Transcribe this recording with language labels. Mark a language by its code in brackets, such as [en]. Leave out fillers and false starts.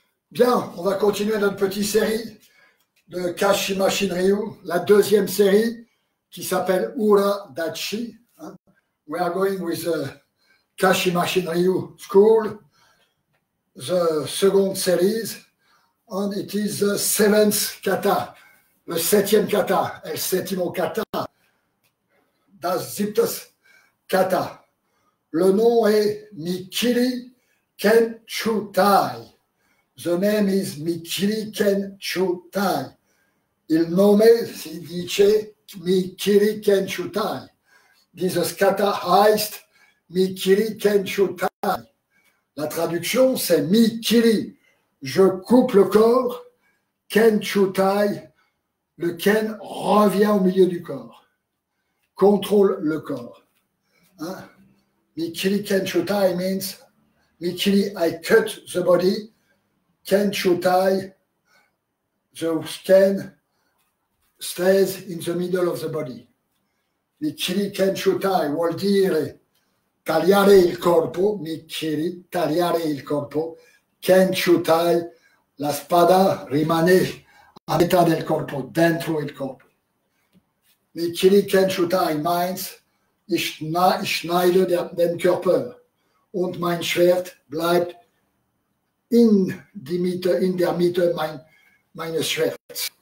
[fr] Bien, on va continuer notre petite série de Kashi Machin Ryu, la deuxième série qui s'appelle Ura Dachi. [en] We are going with the Kashi Machin Ryu School. The second series, and it is the seventh kata, [fr] le septième kata, [es] el séptimo kata, [de] das siebte kata. [fr] Le nom est Mikiri Kenchutai. [en] The name is Mikiri Kenchutai. [it] Il nome si dice [en] Mikiri Kenchutai. This kata [de] heißt [en] Mikiri Kenchutai. [fr] La traduction, c'est Mikiri, je coupe le corps, Kenchutai, le Ken revient au milieu du corps, contrôle le corps. Hein? [en] Mikiri Kenchutai means, Mikiri, I cut the body, Kenchutai, the Ken stays in the middle of the body. [it] Mikiri Kenchutai vuol dire... Tagliare il corpo, Mikiri, tagliare il corpo. Kenchutai, la spada rimane a metà del corpo, dentro il corpo. [de] Mikiri Kenchutai means, ich schneide den Körper und mein Schwert bleibt in, die Mitte, in der Mitte meines Schwerts.